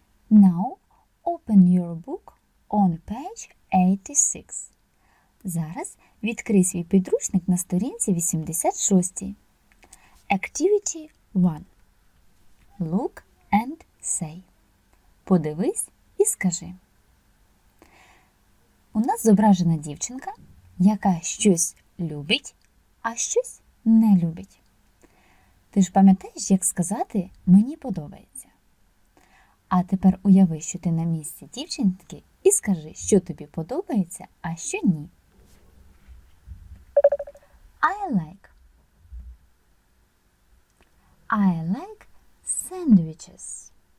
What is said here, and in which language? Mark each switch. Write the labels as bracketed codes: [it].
[en] Now open your book on page 86. [uk] Зараз відкрий свій підручник на сторінці 86. [en] Activity 1. Look and say. [uk] Подивись і скажи. У нас зображена дівчинка, яка щось любить, а щось не любить. Ти ж пам'ятаєш, як сказати «мені подобається». А тепер уяви, що ти на місці дівчинки і скажи, що тобі подобається, а що ні. [en] I like. I like sandwiches.